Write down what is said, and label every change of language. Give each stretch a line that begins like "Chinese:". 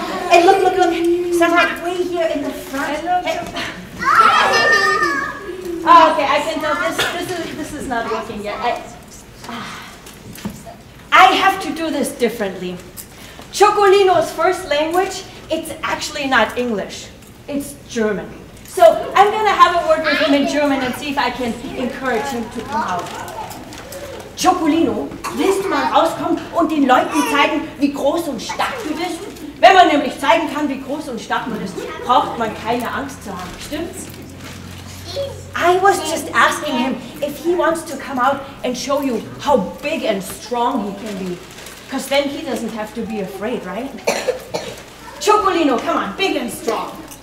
English: And look, look, look. Some are way here in the front. Hello, oh, okay, I can tell this is not working yet. I have to do this differently. Ciocolino's first language It's actually not English. It's German. So I'm going to have a word with him in German and see if I can encourage him to come out.
German: Chocolino, willst du mal rauskommen und den Leuten zeigen, wie groß und stark du bist? Wenn man nämlich zeigen kann, wie groß und stark man ist, braucht man keine Angst zu haben, stimmt's?
English: I was just asking him if he wants to come out and show you how big and strong he can be. Because then he doesn't have to be afraid, right? Chocolino, come on, big and strong.